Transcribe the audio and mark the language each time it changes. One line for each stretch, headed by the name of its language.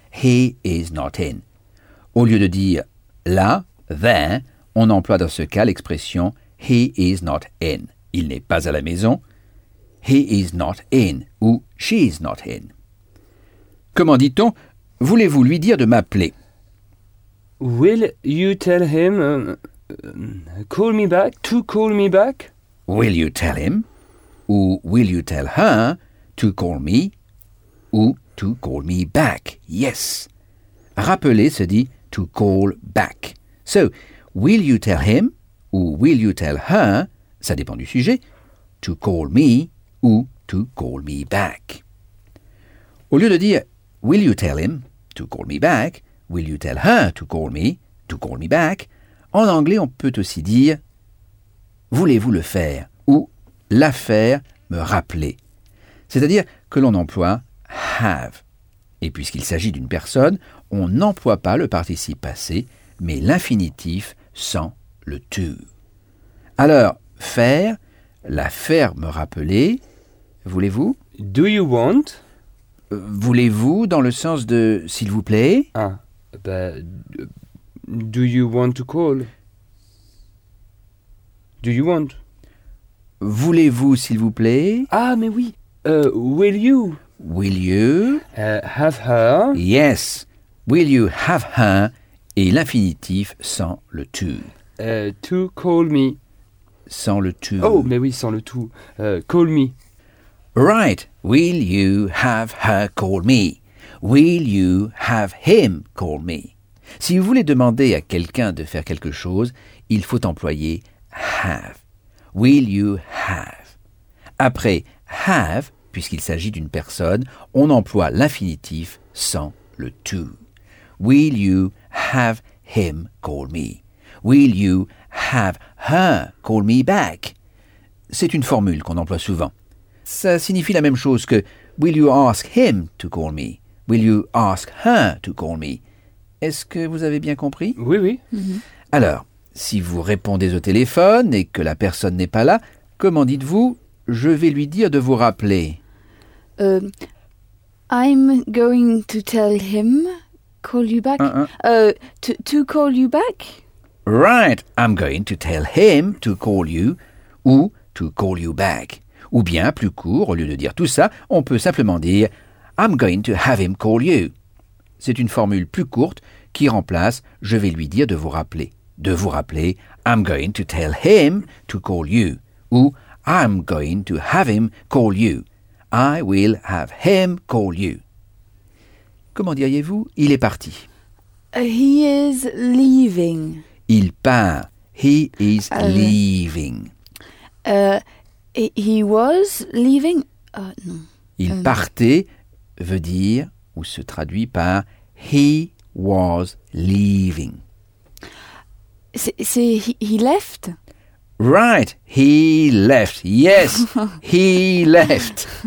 English: He is not in.
French: Au lieu de dire « là », « there », on emploie dans ce cas l'expression «
English: he is not in ».
French: Il n'est pas à la maison. «
English: He is not in
French: » ou «
English: she is not in ».
French: Comment dit-on « voulez-vous lui dire de m'appeler ?»«
English: Will you tell him call me back, to call me back ?»« Will you tell him ?» ou « will you tell her to call me ?» ou « to call me back, yes ?»
French: Rappeler se dit «
English: to call back ». So, « will you tell him ?» ou « will you tell her ?»
French: ça dépend du sujet.
English: « To call me ?» ou « to call me back ?»
French: Au lieu de dire «
English: will you tell him ?» to call me back ?»« will you tell her to call me ?» to call me back ?»
French: En anglais, on peut aussi dire « voulez-vous le faire ?» ou « la faire me rappeler ?» C'est-à-dire que l'on emploie « have ». Et puisqu'il s'agit d'une personne, on n'emploie pas le participe passé, mais l'infinitif sans le « to ». Alors, « faire », « la faire me rappeler », voulez-vous ?
English: « Do you want ?»«
French: Voulez-vous » dans le sens de « s'il vous plaît ?»« Ah, ben,
English: do you want to call ?»« Do you want ?»«
French: Voulez-vous, s'il vous plaît ?»« Ah, mais oui,
English: will you ?» Will you have her? Yes. Will you have her?
French: Et l'infinitif sans le to.
English: To call me.
French: Sans le to. Oh, mais oui, sans le to.
English: Call me. Right. Will you have her call me? Will you have him call me?
French: Si vous voulez demander à quelqu'un de faire quelque chose, il faut employer have.
English: Will you have?
French: Après have, puisqu'il s'agit d'une personne, on emploie l'infinitif sans le to.
English: Will you have him call me? Will you have her call me back?
French: C'est une formule qu'on emploie souvent. Ça signifie la même chose que
English: will you ask him to call me? Will you ask her to call me?
French: Est-ce que vous avez bien compris? Oui, oui. Mm-hmm. Alors, si vous répondez au téléphone et que la personne n'est pas là, comment dites-vous? Je vais lui dire de vous rappeler.
English: I'm going to tell him call you back. To call you back. Right, I'm going to tell him to call you ou to call you back.
French: Ou bien plus court, au lieu de dire tout ça, on peut simplement dire
English: I'm going to have him call you.
French: C'est une formule plus courte qui remplace je vais lui dire de vous rappeler. De vous rappeler,
English: I'm going to tell him to call you ou I'm going to have him call you. I will have him call you.
French: Comment diriez-vous? Il est parti.
English: He is leaving.
French: Il part.
English: He is leaving. He was leaving. Non.
French: Il partait veut dire ou se traduit par he was leaving. C'est
English: he left. Right, he left, yes, he left.